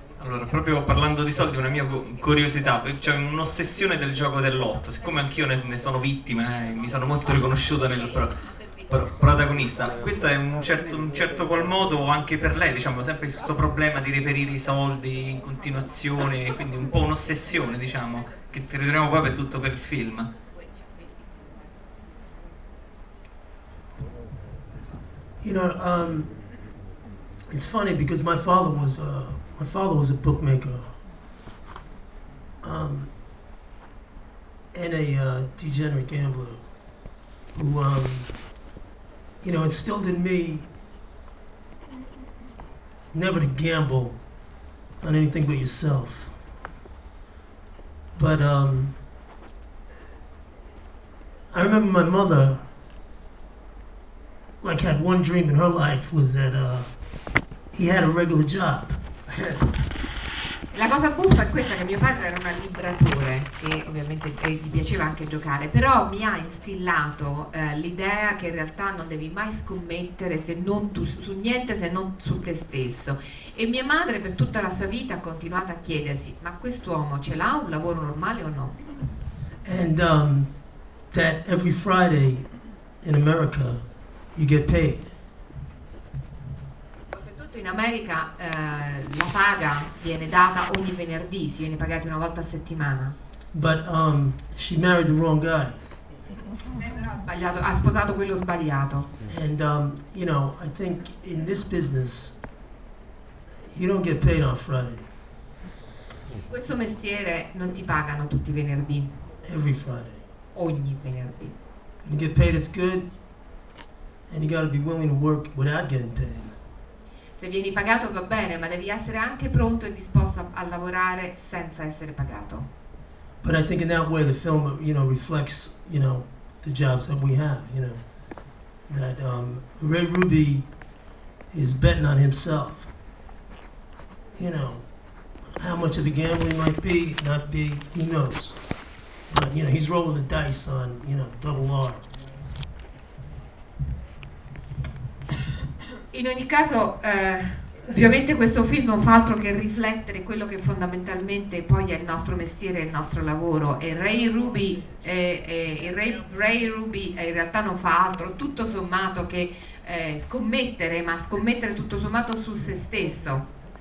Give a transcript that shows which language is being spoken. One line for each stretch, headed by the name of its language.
Italian: Allora, proprio parlando di soldi, una mia curiosità, cioè un'ossessione del gioco del lotto, siccome anch'io ne sono vittima, mi sono molto riconosciuto nel... Però, protagonista. Questo è un certo qual modo anche per lei, diciamo, sempre questo problema di reperire i soldi in continuazione, quindi un po' un'ossessione, diciamo, che ritroviamo poi per tutto per il film.
English: You know, it's funny because my father was a bookmaker, and a degenerate gambler, who instilled in me never to gamble on anything but yourself. But I remember my mother. Like had one dream in her life was that he had a regular job.
Italian: La cosa buffa è questa, che mio padre era un libratore e ovviamente gli piaceva anche giocare, però mi ha instillato l'idea che in realtà non devi mai scommettere su niente se non su te stesso. E mia madre per tutta la sua vita ha continuato a chiedersi: ma quest'uomo ce l'ha un lavoro normale o no?
English: And that every Friday in America you get paid.
Italian: Soprattutto in America la paga viene data ogni venerdì, si viene pagati una volta a settimana.
English: But she married the wrong guy.
Italian: Ha sposato quello sbagliato.
English: And you know, I think in this business you don't get paid on Friday.
Italian: Questo mestiere non ti pagano tutti i venerdì.
English: Every Friday.
Italian: Ogni venerdì.
English: You get paid as good. And you gotta be willing to work without getting paid.
Italian: Se vieni pagato va bene, ma devi essere anche pronto e disposto a lavorare senza essere pagato.
English: But I think in that way the film, you know, reflects, you know, the jobs that we have, you know. That Ray Ruby is betting on himself. You know, how much of a gambler he might be, not be, who knows. But you know, he's rolling the dice on, you know, double R.
Italian: In ogni caso, ovviamente questo film non fa altro che riflettere quello che fondamentalmente poi è il nostro mestiere, il nostro lavoro. E Ray Ruby in realtà non fa altro, tutto sommato, che scommettere tutto sommato su se stesso.